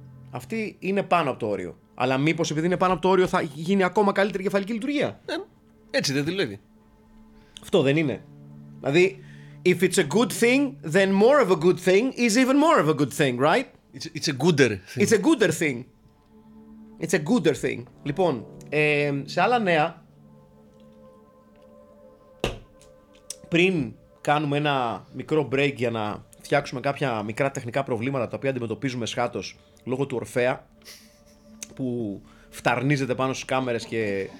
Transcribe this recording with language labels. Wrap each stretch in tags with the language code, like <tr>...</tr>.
<el>Αυτή είναι πάνω από το όριο. Αλλά μήπως επειδή είναι πάνω από το όριο θα γίνει ακόμα καλύτερη κεφαλική λειτουργία? Ναι, έτσι δεν δουλεύει. Αυτό δεν είναι.</el> <en>Δηλαδή, if it's a good thing, then more of a good thing is even more of a good thing, right? It's a gooder thing. It's a gooder thing. It's a gooder thing.</en> <el>Λοιπόν, σε άλλα νέα, πριν κάνουμε ένα μικρό break για να φτιάξουμε κάποια μικρά τεχνικά προβλήματα τα οποία αντιμετωπίζουμε σχάτως λόγω του Ορφέα, που φταρνίζεται πάνω στις κάμερες και.</el>